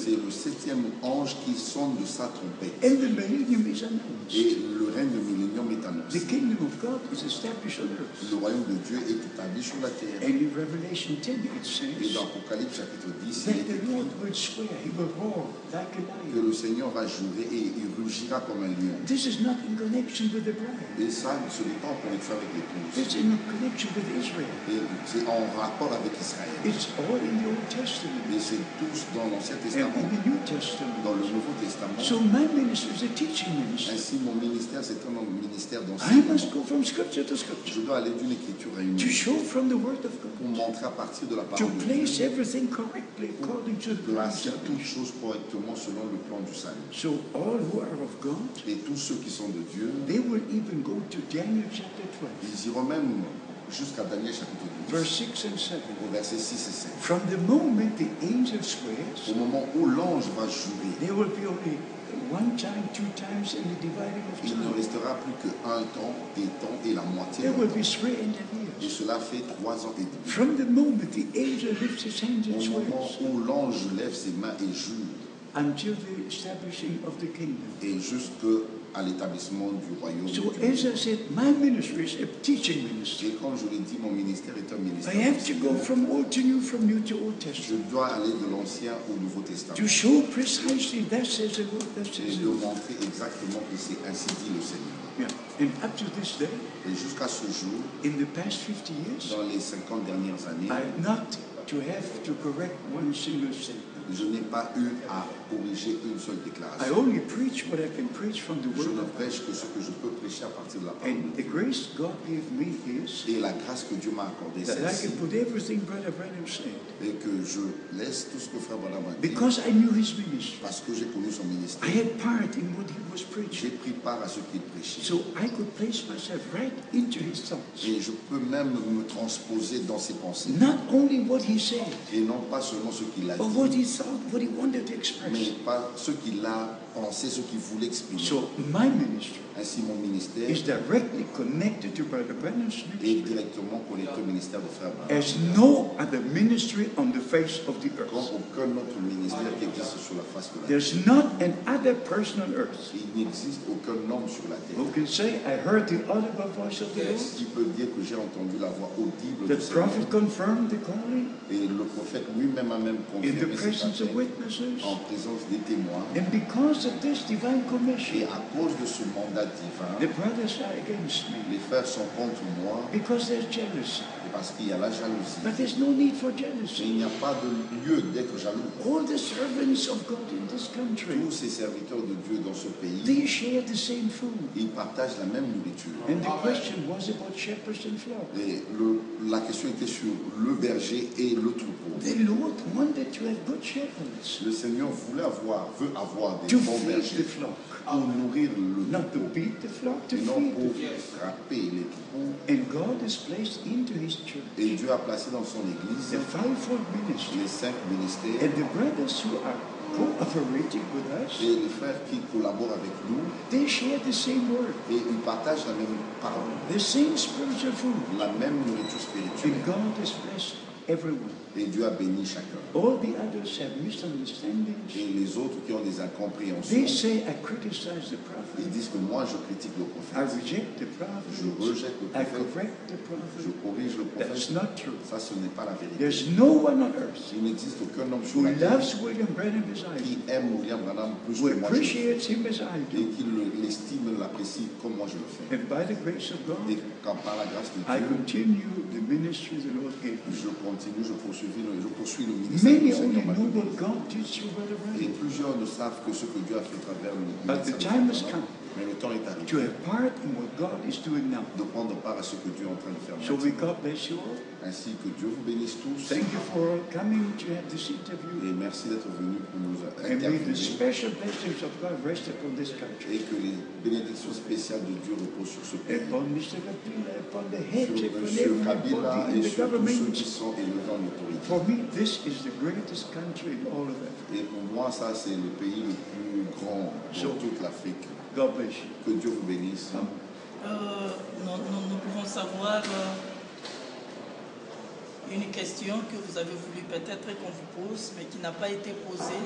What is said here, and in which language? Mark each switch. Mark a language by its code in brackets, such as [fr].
[fr] C'est le septième ange qui sonne de sa trompette. [en] And the millennium is announced. [fr] Et le règne du millénium est annoncé. [en] The kingdom of God is established on earth. [fr] Le royaume de Dieu est établi sur la terre. [en] And in Revelation 10, it says. [fr] Et dans Apocalypse chapitre 10, [en] that the Lord will swear, he will roar like a lion. [fr] Que le Seigneur va jurer et il rugira comme un lion. [en] This is not in connection with the bride. [fr] Et ça, ce n'est pas en connexion avec l'épouse. [en] This is in connection with Israel. [fr] Et c'est en rapport avec Israël. [en] It's all in the Old Testament. [fr] Mais c'est tous dans l'Ancien Testament. [en] And in the New Testament. [fr] Dans le Nouveau Testament. [en] So my ministry is a teaching ministry. [fr] Ainsi mon ministère c'est un ministère d'enseignement. [en] I must go from scripture to scripture. [fr] Je dois aller d'une écriture à une autre. [en] To show from the Word of God. [fr] Pour montrer à partir de la parole. [en] To place everything correctly according to the plan. [fr] Placer toutes choses correctement selon le plan du salut. [en] So all who are of God. [fr] Et tous ceux qui sont de Dieu. [en] They will even go to Daniel chapter 12. [fr] Ils iront même jusqu'à Daniel chapitre 12. [en] Verse 6 and 7. [fr] Au verset 6 et 7. [en] From the moment the angel swears, [fr] au moment où l'ange va jurer, [en] there will be only one time, two times, and the dividing of time. [fr] Il ne restera plus que un temps, des temps et la moitié. [en] There will be 3.5 years. [fr] Et cela fait 3 ans et demi. [en] From the moment the angel lifts his hands and swears, [fr] au moment où l'ange lève ses mains et jure, [en] until the establishing of the kingdom. [fr] Et jusque à l'établissement du royaume. [en] So as I said, my ministry is a teaching ministry. [fr] Et comme je l'ai dit, mon ministère est un ministère. [en] I have to go from old to new, from new to old testament. [fr] Je dois aller de l'ancien au nouveau testament. [en] To show precisely that says the Lord, that says the Lord. [fr] Et de montrer exactement que c'est ainsi dit le Seigneur. [en] Yeah. And up to this day. [fr] Et jusqu'à ce jour. [en] In the past 50 years. [fr] Dans les 50 dernières années. [en] I have not to have to correct one single sentence. [fr] je n'ai pas eu à corriger une seule déclaration. [en] I only preach what I can preach from the word. [fr] Je ne prêche que ce que je peux prêcher à partir de la parole. [en] And the grace God gave me is [fr] et la grâce que Dieu m'a accordée, [en] that I can put everything Brother Branham said. [fr] Et que je laisse tout ce que Frère Branham a dit. [en] Because I knew his ministry. [fr] Parce que j'ai connu son ministère. [en] I had part in what he was preaching. [fr] J'ai pris part à ce qu'il prêchait. [en] So I could place myself right into his thoughts. [fr] Et je peux même me transposer dans ses pensées. [en] Not only what he said. [fr] Et non pas seulement ce qu'il a dit. [en] What he thought, what he wanted to express. [fr] Mais pas ce qu'il a pensé, ce qu'il voulait exprimer. [en] So my ministry. [fr] Ainsi mon ministère [en] is directly connected to Brother Branham's ministry. [fr] Est directement connecté au ministère de Frère Branham. [en] As no other ministry on the face of the earth. [fr] Comme aucun autre ministère qui existe sur la face de la terre. [en] There's not an other person on earth. [fr] Il n'existe aucun homme sur la terre. [en] Who can say I heard the audible voice of the Lord? [fr] Qui peut dire que j'ai entendu la voix audible de Dieu? [en] The prophet confirmed the calling. [fr] Et le prophète lui-même a même confirmé. [en] In the presence of witnesses. [fr] En présence des témoins. [en] And because of this divine commission. [fr] Et à cause de ce mandat. [en] The brothers are against me. [fr] Les frères sont contre moi. [en] Because there's jealousy. [fr] Et parce qu'il y a la jalousie. [en] But there's no need for jealousy. [fr] Mais il n'y a pas de lieu d'être jaloux. [en] All the servants of God in this country. [fr] Tous ces serviteurs de Dieu dans ce pays. [en] They share the same food. [fr] Ils partagent la même nourriture. [en] And the question was about shepherds and flocks. [fr] Et la question était sur le berger et le troupeau. [en] The Lord wanted to have good shepherds. [fr] Le Seigneur veut avoir des bons bergers. [en] To feed the flock. [fr] Pour nourrir le [en] not to beat the flock, to [fr] non pour frapper les troupeaux. [en] And God is placed into his church. [fr] Et Dieu a placé dans son église [en] the fivefold ministry. [fr] Les cinq ministères. [en] And the brothers who are cooperating with us. [fr] Et les frères qui collaborent avec nous. [en] They share the same word. [fr] Et ils partagent la même parole. [en] The same spiritual food. [fr] La même nourriture spirituelle. [en] And God is blessed everyone. [fr] Et Dieu a béni chacun. [en] All the others have misunderstandings. [fr] Et les autres qui ont des incompréhensions. [en] They say I criticize the prophet. [fr] Ils disent que moi je critique le prophète. [en] I reject the prophet. [fr] Je rejette le prophète. [en] I correct the prophet. [fr] Je corrige le prophète. [en] That's not true. [fr] Ça ce n'est pas la vérité. [en] There's no one on earth. [fr] Il n'existe aucun homme [en] who loves William Branham as I do. [fr] Qui aime William Branham plus [en] who [fr] que moi. [en] Appreciates him as I do. [fr] Et qui l'estime, l'apprécie comme moi je le fais. [en] And by the grace of God. [fr] Et quand par la grâce de Dieu. [en] I continue the ministry the Lord gave me. [fr] Je continue, je poursuis. Je poursuis le ministère. Et plusieurs ne savent que ce que Dieu a fait travers le ministère. Mais le temps est arrivé. [en] To have part in what God is doing now. [fr] De prendre part à ce que Dieu est en train de faire. [en] So we God bless you all. [fr] Ainsi que Dieu vous bénisse tous. [en] Thank you for coming to have this interview. [fr] Et merci d'être venu pour nous interviewer. [en] And may the special blessings of God rest upon this country. [fr] Et que les bénédictions spéciales de Dieu reposent sur ce pays. [en] Upon Mr. Kabila, upon the heads of government. For me, this is the greatest country in all of Africa. [fr] Et pour moi, ça c'est le pays le plus grand dans toute l'Afrique. [en] God bless you. [fr] Que Dieu vous bénisse. Nous pouvons savoir une question que vous avez voulu peut-être qu'on vous pose, mais qui n'a pas été posée.